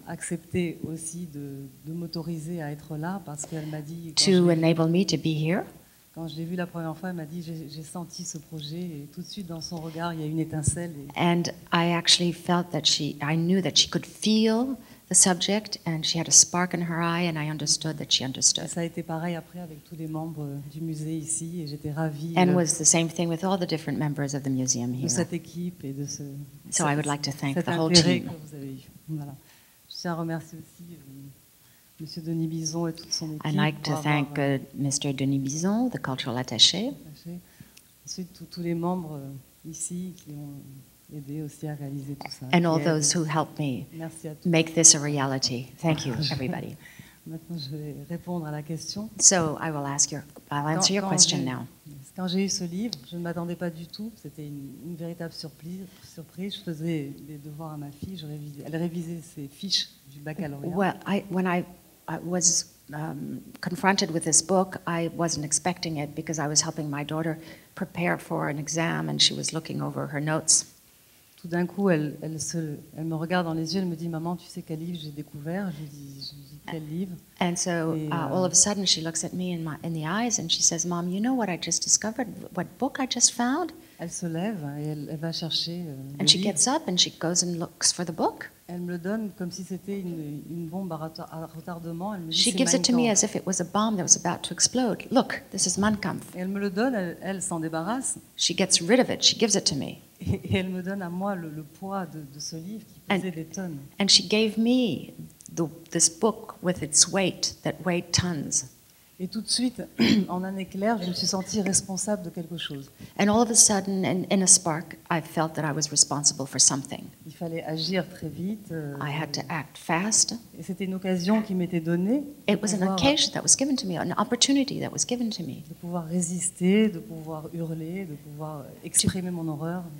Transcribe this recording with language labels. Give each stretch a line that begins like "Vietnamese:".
French: accepté aussi de m'autoriser à être là parce qu'elle m'a dit
English: to enable me to be here.
French: Quand je l'ai vue la première fois, elle m'a dit j'ai senti ce projet et tout de suite dans son regard il y a une étincelle. Et
English: and I actually felt that I knew that she could feel the subject and she had a spark in her eye and I understood that she understood.
French: Ça a été pareil après avec tous les membres du musée ici et j'étais ravie.
English: And was the same thing with all the different members of the museum here.
French: De cette équipe et de ce.
English: So I would like to thank the whole team.
French: Que vous avez eu. Voilà. Je tiens à remercier aussi. Monsieur Denis Bison et toute son équipe.
English: I'd like to thank Mr. Denis Bison, the cultural attaché.
French: Ensuite, tous les membres ici qui ont aidé aussi à réaliser tout ça.
English: And all those who helped me
French: merci à tous.
English: Make this a reality. Thank you, everybody.
French: Maintenant, je vais répondre à la question.
English: So, I'll answer your question now.
French: Quand j'ai eu ce livre, je ne m'attendais pas du tout. C'était une véritable surprise. Je faisais les devoirs à ma fille. Elle révisait ses fiches du baccalauréat.
English: Well, I was confronted with this book. I wasn't expecting it because I was helping my daughter prepare for an exam and she was looking over her notes.
French: Tout d'un coup, elle me regarde dans les yeux, elle me dit, Maman, tu sais quel livre j'ai découvert? Je lui dis, quel livre?
English: And so all of a sudden she looks at me in the eyes and she says, Mom, you know what I just discovered? What book I just found?
French: Elle se lève et elle va chercher le livre.
English: And she gets up and she goes and looks for the book.
French: Elle me le donne comme si c'était une bombe à retardement. Elle me dit,
English: she gives it to me as if it was a bomb that was about to explode. Look, this is Mein Kampf.
French: Elle me le donne, elle s'en débarrasse.
English: She gets rid of it, she gives it to me.
French: Et elle me donne à moi le poids de ce livre qui pesait des tonnes.
English: And she gave me this book with its weight that weighed tons.
French: Et tout de suite, en un éclair, je me suis sentie responsable de quelque chose.
English: And all of a sudden, in a spark, I felt that I was responsible for something.
French: Il fallait agir très vite.
English: I had to act fast.
French: Et c'était une occasion qui m'était donnée.
English: It was an occasion that was given to me, an opportunity that was given to me.
French: De pouvoir résister, de pouvoir hurler, de pouvoir exprimer mon horreur.